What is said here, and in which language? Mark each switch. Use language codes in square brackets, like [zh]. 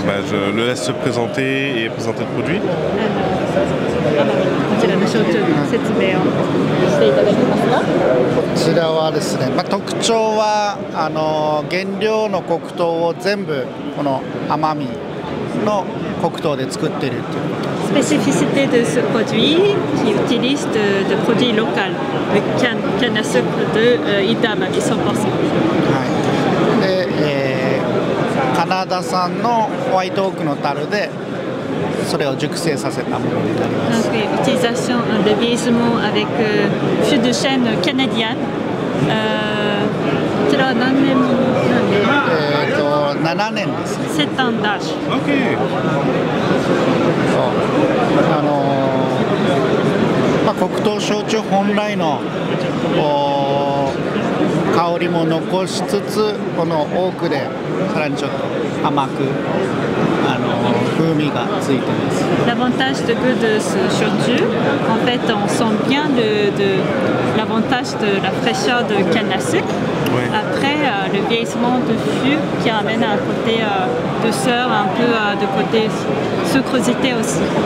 [fr] Je le laisse se présenter et présenter le produit. [ja] こちらの焼酎の説明をしていただけますか。こちらはですね、特徴は原料の黒糖を全部この甘みの黒糖で作っているという。 [fr] Spécificité de ce produit qui utilise de produits locaux, de canne à sucre de Itama, qui sont possibles. [ja] カナダ産のホワイトオークの樽で。それを熟成させたものになります。 [fr] Donc, l'utilisation de vieillissement avec fût de chêne canadien. [ja] それは何年も何年も7年ですね。 7年だし。 OK! そう。黒糖焼酎本来の香りも残しつつ、このオークでさらにちょっと甘く。 [fr] L'avantage de goûter ce shochu, en fait, on sent bien l'avantage de la fraîcheur de canne à sucre. Oui. Après, le vieillissement de fût qui amène un côté douceur, un peu de côté sucrosité aussi.